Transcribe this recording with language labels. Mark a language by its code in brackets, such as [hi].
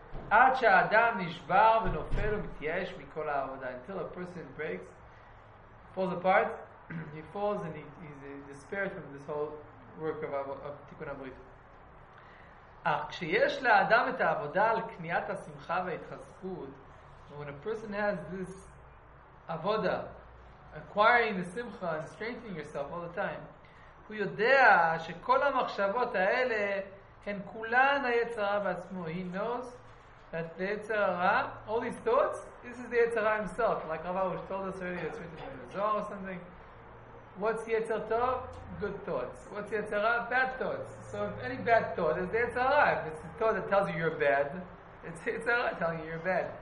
[he] עד שהאדם נשבר ונופל ומתייאש מכל העבודה. [en] Until a person breaks, falls apart, he falls and he's in despair from this whole work of Tikkun HaBrit. [he] אך כשיש לאדם את העבודה על קניית השמחה וההתחזקות, [en] when a person has this עבודה, acquiring the simcha and strengthening yourself all the time, [he] הוא יודע שכל המחשבות האלה הן כולן היצרה בעצמו. [en] He knows that the יצרה, all these thoughts, this is the יצרה himself. Like Rav Arush told us earlier, it's written in the Zohar or something. What's Yetzer Tov? Good thoughts. What's Yetzer Ra? Bad thoughts. So if any bad thought is the Yetzer Ra, if it's a thought that tells you you're bad, it's Yetzer Ra telling you you're bad.